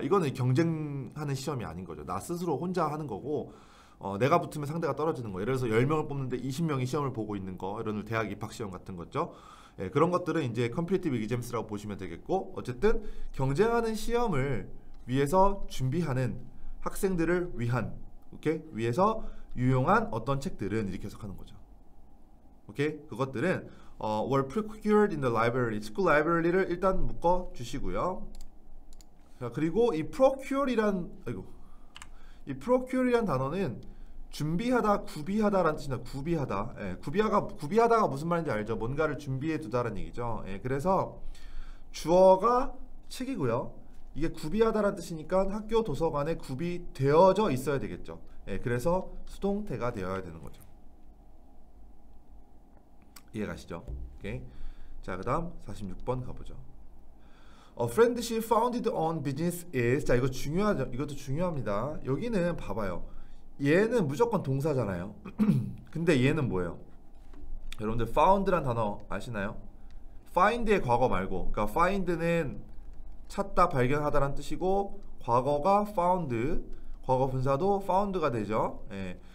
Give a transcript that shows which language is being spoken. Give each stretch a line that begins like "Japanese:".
Korean: 이거는 경쟁하는 시험이 아닌 거죠. 나 스스로 혼자 하는 거고, 내가 붙으면 상대가 떨어지는 거. 예를 들어서 10명을 뽑는데 20명이 시험을 보고 있는 거, 이런 대학 입학 시험 같은 거죠. 예, 그런 것들은 이제 competitive exams라고 보시면 되겠고, 어쨌든 경쟁하는 시험을 위해서 준비하는 학생들을 위한, 오케이? 위해서 유용한 어떤 책들은, 이렇게 해석하는 거죠. 오케이? 그것들은
English: were procured in the library.
Korean: school library를 일단 묶어 주시고요. 자, 그리고 이 procure이란, 아이고. 이 procure이란 단어는 준비하다, 구비하다라는 뜻입니다. 구비하다. 예, 구비하다가 무슨 말인지 알죠? 뭔가를 준비해 두다라는 얘기죠. 예, 그래서 주어가 책이고요. 이게 구비하다라는 뜻이니까 학교 도서관에 구비되어져 있어야 되겠죠. 예, 그래서 수동태가 되어야 되는 거죠. 이해가시죠? 오케이. 자, 그다음 46번 가보죠.
English: A friendship founded on business is.
Korean: 자, 이거 중요하죠. 이것도 중요합니다. 여기는 봐봐요. 얘는 무조건 동사잖아요. 근데 얘는 뭐예요? 여러분들 found란 단어 아시나요? find의 과거 말고. 그러니까 find는 찾다, 발견하다라는 뜻이고 과거가 found, 과거 분사도 found가 되죠. 예.